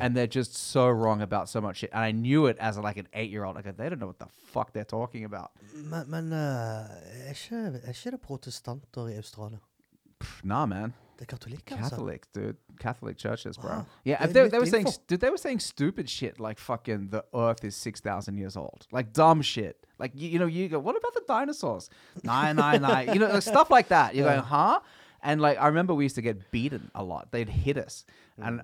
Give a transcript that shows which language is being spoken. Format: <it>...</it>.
<en>And they're just so wrong about so much shit. And I knew it as like an 8-year-old. Like, they don't know what the fuck they're talking about.</en> <no>Men, er ikke det protestanter i Australien?</no> <en>Nah, man.</en> <no>Det er katolikker,</no> <en>Catholic, altså. Catholic, dude. Catholic churches, bro. Wow. Yeah, they were saying stupid shit, like fucking the earth is 6,000 years old. Like dumb shit. Like, you know, you go, what about the dinosaurs? Nine, nine, nine. You know, like stuff like that. You're going, huh? And like, I remember we used to get beaten a lot. They'd hit us. Mm.</en>